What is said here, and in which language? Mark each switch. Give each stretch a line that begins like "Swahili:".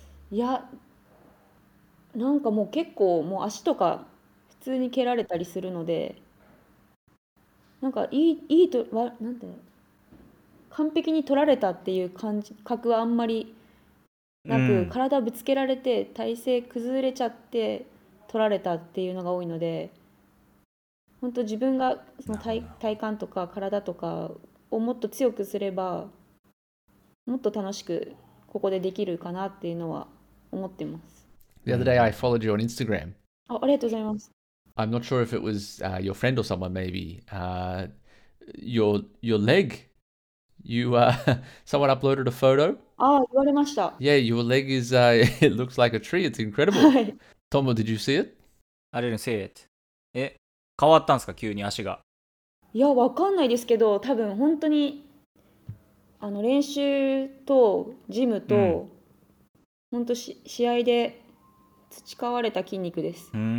Japanese: いや、なんかもう結構もう足とか普通に蹴られたりするので、なんかいいとはなんて完璧に取られたっていう感覚はあんまりなく、うん、体ぶつけられて体勢崩れちゃって取られたっていうのが多いので、本当自分がその 体幹とか体とかをもっと強くすればもっと楽しくここでできるかなっていうのは思ってます。
English: The other day I followed you on Instagram.
Japanese: ありがとうございます。
English: I'm not sure if it was、your friend or someone maybe、your leg you、someone uploaded a photo.
Japanese: ああ言われました。
English: Yeah, your leg is、it looks like a tree. It's incredible. Tomo, did you see it? I didn't see it.
Japanese: 変わったんですか急に足が。いや、わかんないですけど、多分本当にあの練習とジムと、うん、本当試合で培われた筋肉です。